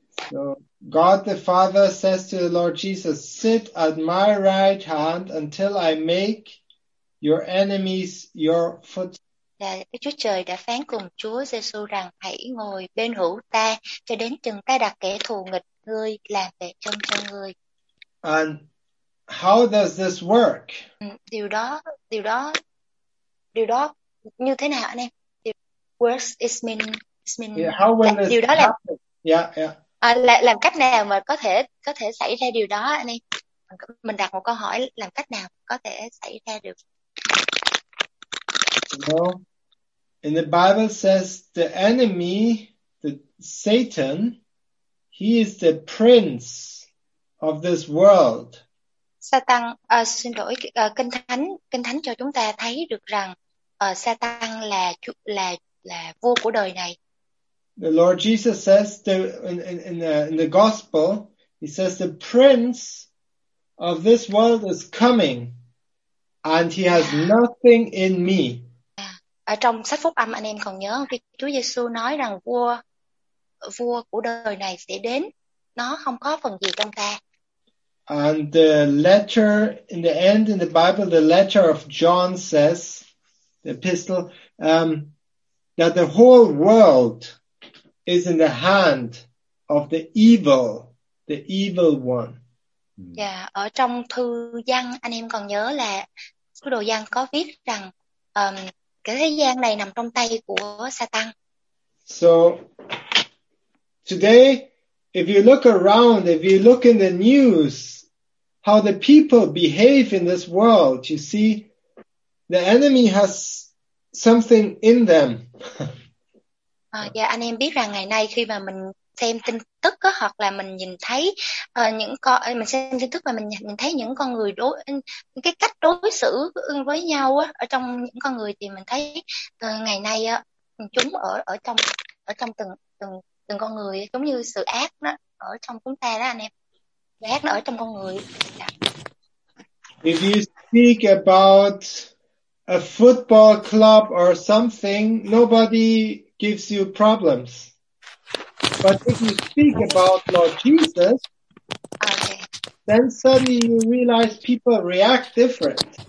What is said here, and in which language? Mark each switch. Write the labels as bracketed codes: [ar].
[en] So God the Father says to the Lord Jesus, sit at my right hand until I make your enemies your footstool. [vi] Yeah, Chúa Trời đã phán cùng Chúa Giêsu rằng hãy ngồi bên hữu ta cho đến chừng ta đặt kẻ thù nghịch ngươi làm bệ chân cho ngươi. [en] And how does this work? [vi] Điều đó như thế nào anh em? [en] Works is meaning. Yeah, how will this [vi] điều đó [en] happen? [vi] Làm cách nào mà có thể xảy ra điều đó anh em? Mình đặt một câu hỏi làm cách nào có thể xảy ra được. [en] In the Bible says the enemy, the Satan, he is the prince of this world. [vi] Satan, xin lỗi, kinh thánh cho chúng ta thấy được rằng Satan là vua của đời này. [en] The Lord Jesus says in the gospel, he says the prince of this world is coming and he has nothing in me. [vi] Ở trong sách Phúc Âm anh em còn nhớ khi Chúa Giêsu nói rằng vua của đời này sẽ đến, nó không có phần gì trong ta. [en] And the letter in the end in the Bible, the letter of John says, the epistle, that the whole world is in the hand of the evil one. [vi] Yeah, ở trong thư Giăng anh em còn nhớ là sứ đồ Giăng có viết rằng cái thế gian này nằm trong tay của Satan. [en] So today, if you look around, if you look in the news, how the people behave in this world, you see the enemy has something in them. [vi] Dạ, anh em biết rằng ngày nay khi mà mình xem tin tức đó, hoặc là mình nhìn thấy mình xem tin tức và mình nhìn thấy những con người đối cái cách đối xử với nhau á, ở trong những con người thì mình thấy ngày nay á, chúng ở trong từng con người, giống như sự ác đó ở trong chúng ta đó anh em, sự ác nó ở trong con người. [en] If you speak about a football club or something, nobody gives you problems. But if you speak about Lord Jesus, then suddenly you realize people react different.